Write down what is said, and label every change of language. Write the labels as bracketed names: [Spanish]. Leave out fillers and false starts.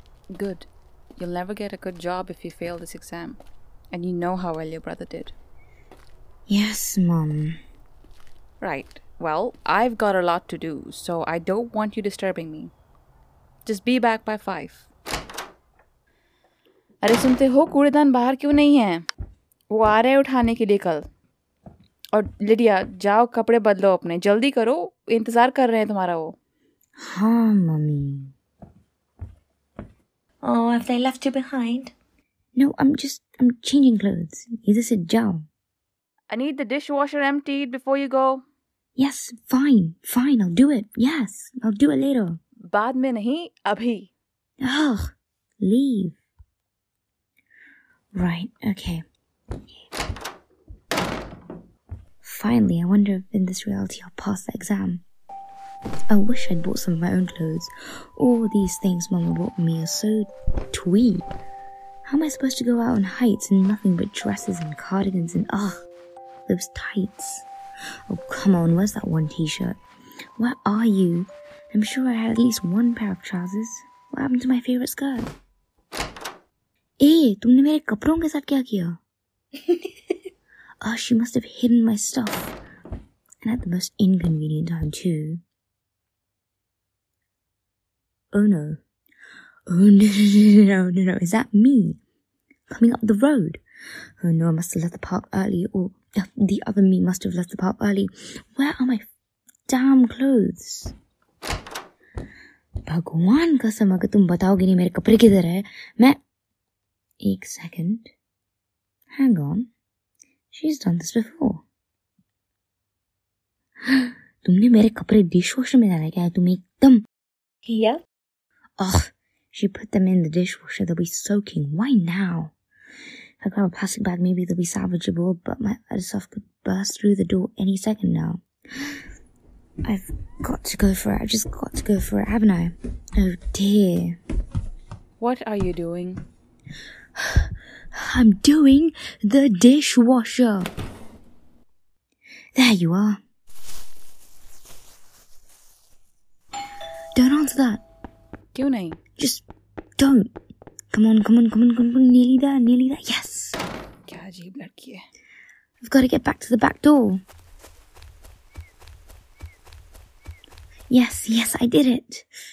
[English] Good. You'll never get a good job if you fail this exam. And you know how well your brother did. Yes, Mom. Right. Well, I've got a lot to do, so I don't want you disturbing me. Just be back by 5. [Hindi] अरे सुनते हो कूड़ेदान बाहर क्यों नहीं है? वो आ रहे उठाने के लिए कल. और लिडिया जाओ कपड़े बदलो अपने जल्दी करो इंतजार कर रहे हैं तुम्हारा वो. हाँ mummy. [English] Oh, have they left you behind? No, I'm changing clothes. You just said jao. I need the dishwasher emptied before you go. Yes, fine, I'll do it. Yes, I'll do it later. [Hindi] बाद में नहीं अभी. [English] Ugh, leave. Right, okay. Finally, I wonder if in this reality I'll pass the exam. I wish I'd bought some of my own clothes. All these things Mama bought me are so twee. How am I supposed to go out on heights in nothing but dresses and cardigans and, ugh, those tights? Oh, come on, where's that one t-shirt? Where are you? I'm sure I had at least one pair of trousers. What happened to my favorite skirt? [Hindi] हे, तुमने मेरे कपड़ों के साथ क्या किया? [English] Oh, she must have hidden my stuff. And at the most inconvenient time, too. Oh, no. Oh, no. Is that me? Coming up the road? Oh, no, I must have left the park early. Or the other me must have left the park early. Where are my damn clothes? [Hindi] भगवान कसम, अगर तुम बताओगे नहीं मेरे कपड़े किधर है, मैं... एक second. [English] Hang on. She's done this before. [Hindi] तुमने मेरे कपड़े डिशवॉशर में डाले क्या? तुम एकदम... [English] Yeah. Ugh, she put them in the dishwasher. They'll be soaking. Why now? If I grab a plastic bag, maybe they'll be salvageable, but my other stuff could burst through the door any second now. I've got to go for it. I've just got to go for it, haven't I? Oh, dear. What are you doing? I'm doing the dishwasher. There you are. Don't answer that. [Hindi] क्यों नहीं? [English] Just don't. Come on. Nearly there. Yes. [Hindi] क्या अजीब लड़की है. [English] I've got to get back to the back door. Yes, I did it.